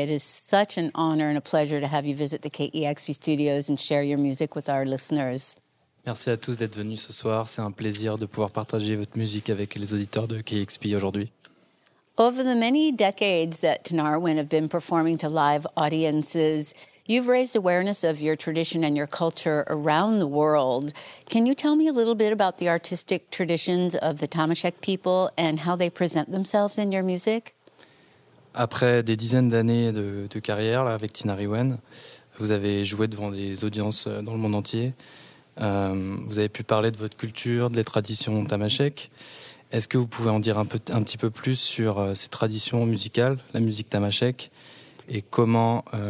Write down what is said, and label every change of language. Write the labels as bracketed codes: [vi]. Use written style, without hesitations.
[en] It is such an honor and a pleasure to have you visit the KEXP studios and share your music with our listeners. [fr] Merci à tous d'être venus ce soir. C'est un plaisir de pouvoir partager votre musique avec les auditeurs de KEXP aujourd'hui. [en] Over the many decades that Tinariwen have been performing to live audiences, you've raised awareness of your tradition and your culture around the world. Can you tell me a little bit about the artistic traditions of the Tamashek people and how they present themselves in your music? [fr] Après des dizaines d'années de carrière là, avec Tinariwen, vous avez joué devant des audiences dans le monde entier. Vous avez pu parler de votre culture, de les traditions Tamashek. Est-ce que vous pouvez en dire un petit peu plus sur ces traditions musicales, la musique Tamashek, et comment...